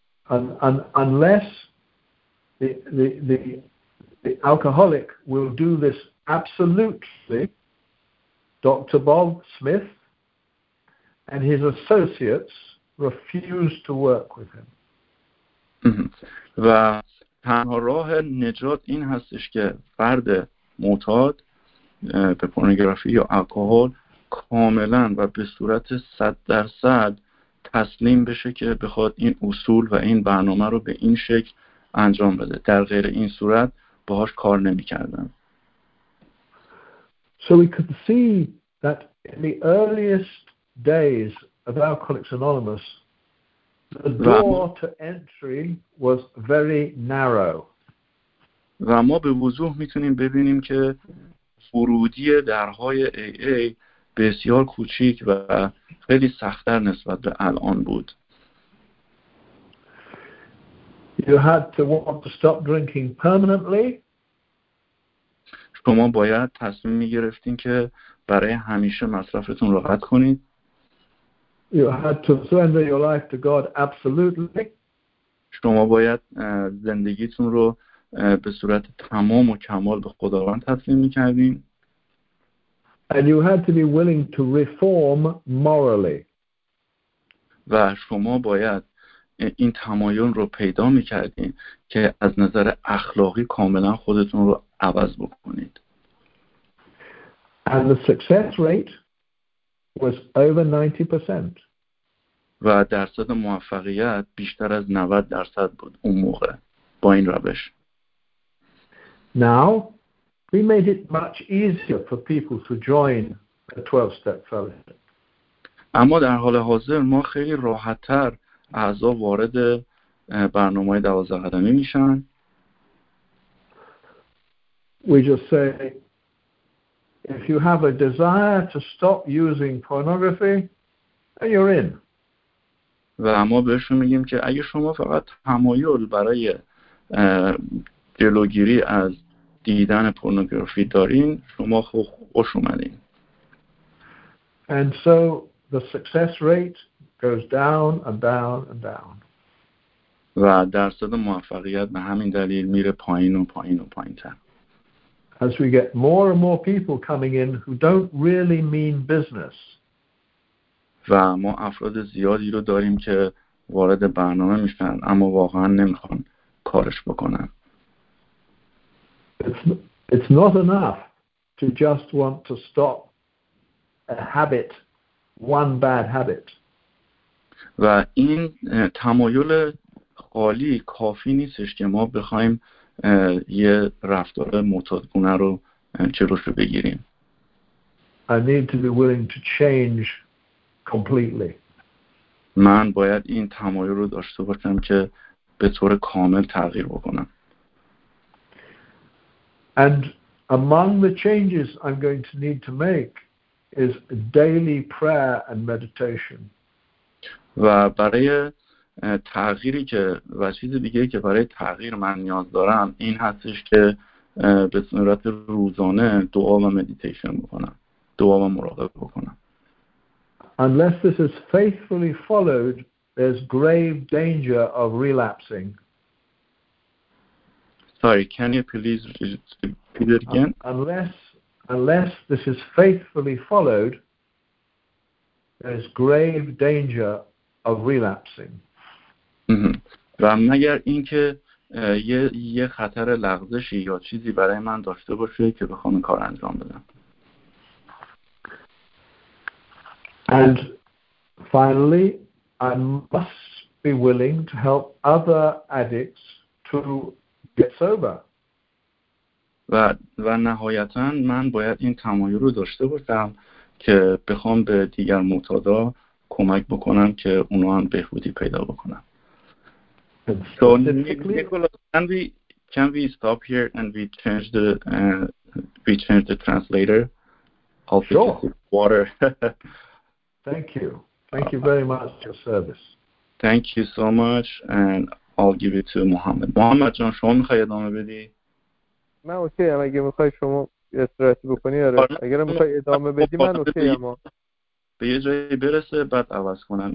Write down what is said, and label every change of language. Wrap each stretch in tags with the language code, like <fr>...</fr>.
<en>Unless the alcoholic will do this absolutely, Dr. Bob Smith and his associates refuse to work with him.</en> <fa>و تنها راه نجات این هستش که فرد معتاد به پورنوگرافی یا الکل کاملا و به صورت 100% تسلیم بشه که بخواد این اصول و این برنامه رو به این شکل انجام بده. در غیر این صورت باهاش کار نمی‌کردن.</fa> <en>So we could see that in the earliest days of Alcoholics Anonymous, the door to entry was very narrow.</en> <fa>و ما به وضوح میتونیم ببینیم که ورودی درهای AA بسیار کوچیک و خیلی سخت‌تر نسبت به الان بود.</fa> <en>You had to want to stop drinking permanently.</en> <fa>شما باید تصمیم میگرفتین که برای همیشه مصرفتون رو قطع کنید.</fa> <en>You had to surrender your life to God absolutely.</en> <fa>شما باید زندگیتون رو به صورت تمام و کمال به خداوند تسلیم میکردین.</fa> <en>And you had to be willing to reform morally.</en> <fa>و شما باید این تمایل رو پیدا میکردین که از نظر اخلاقی کاملا خودتون رو عوض بکنید.</fa> <en>And the success rate was over 90%.</en> <fa>و درصد موفقیت بیشتر از 90% بود اون موقع با این روش.</fa> <en>Now we made it much easier for people to join a 12 step fellowship.</en> <fa>اما در حال حاضر ما خیلی راحت تر اعضا وارد برنامه 12 قدمی میشن.</fa> <en>We just say, if you have a desire to stop using pornography, you're in.</en> <fa>و ما بهشون میگیم که اگه شما فقط تمایل برای جلوگیری از دیدن پورنوگرافی دارین، شما خوش اومدین.</fa> <en>And so the success rate goes down and down and down.</en> <fa>و درصد موفقیت به همین دلیل میره پایین و پایین و پایین تر.</fa> <en>As we get more and more people coming in who don't really mean business.</en> <fa>و ما افراد زیادی رو داریم که وارد برنامه میشن اما واقعا نمیخوان کارش بکنن.</fa> <en>It's not enough to just want to stop a habit, one bad habit.</en> <fa>و این تمایل خالی کافی نیستش که ما بخوایم یه رفتار معتادگونه رو جلوش رو بگیریم.</fa> <en>I need to be willing to change completely.</en> <fa>من باید این تمایل رو داشته باشم که به طور کامل تغییر بکنم.</fa> <en>And among the changes I'm going to need to make is daily prayer and meditation.</en> <fa>و برای تغییری که و چیز دیگه که برای تغییر من نیاز دارم این هستش که به صورت روزانه دعا و مدیتیشن بکنم، دعا و مراقبه بکنم.</fa> <en>Unless this is faithfully followed, there's grave danger of relapsing. Sorry, can you please repeat it again? Unless this is faithfully followed, there's grave danger of relapsing.</en> <fa>و مگر اینکه یه خطر لغزشی یا چیزی برای من داشته باشه که بخوام کار انجام بدم.</fa> <en>And finally, I must be willing to help other addicts to get sober.</en> <fa>و نهایتاً من باید این تمایل رو داشته باشم که بخوام به دیگر معتادا کمک بکنم که اونا هم بهبودی پیدا بکنن.</fa> <en>So, Nicholas, can we stop here and we change the translator? I'll sure. Water. Thank you very much for your service. Thank you so much, and I'll give it to Mohammed.</en> <fa>Mohammed, جان شما میخوای ادامه بدی؟ من اوکی ام اگه میخوای شما استراتی بکنی. آره. اگر میخوای ادامه بدی من اوکی ام. به یه جایی برسه بعد عوض کنم.</fa>